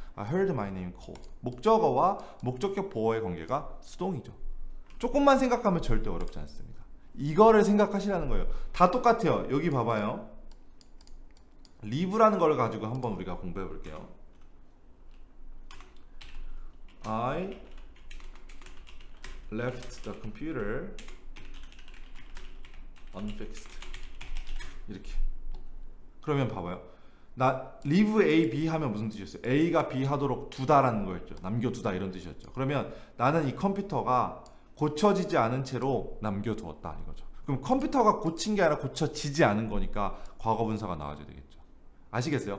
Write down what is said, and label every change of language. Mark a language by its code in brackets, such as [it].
[en] I heard my name called. [ko] 목적어와 목적격 보어의 관계가 수동이죠. 조금만 생각하면 절대 어렵지 않습니다. 이거를 생각하시라는 거예요. 다 똑같아요. 여기 봐봐요. live라는 걸 가지고 한번 우리가 공부해 볼게요. [en] I left the computer unfixed. [ko] 이렇게. 그러면 봐봐요. 나 leave A, B 하면 무슨 뜻이었어요? A가 B 하도록 두다라는 거였죠. 남겨두다 이런 뜻이었죠. 그러면 나는 이 컴퓨터가 고쳐지지 않은 채로 남겨두었다 이거죠. 그럼 컴퓨터가 고친 게 아니라 고쳐지지 않은 거니까 과거분사가 나와줘야 되겠죠. 아시겠어요?